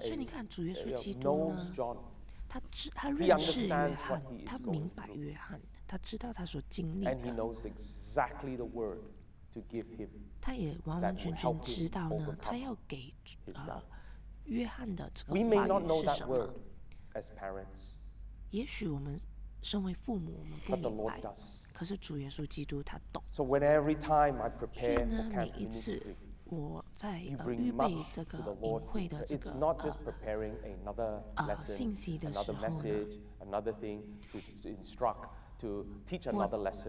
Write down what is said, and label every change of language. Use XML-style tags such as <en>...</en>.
<zh>所以你看，主耶稣基督呢，他认识约翰，他明白约翰，他知道他所经历的。</zh> <en>And he knows exactly the word. To give him,</en> <zh>他也完完全全知道呢，他要给约翰的这个话语是什</zh> <en>么。We may not know that word as parents.</en> <zh>也许我们身为父母，我们不明白。可是主耶稣基督他懂。</zh> <en>So when every time I prepare for camp ministry,</en> <zh>所以呢，每一次我在预备这个营会的这个</zh> <en>It's not just preparing another lesson,</en> <zh>信息的时候呢</zh> <en>another message, another thing to instruct. To teach another lesson.</en>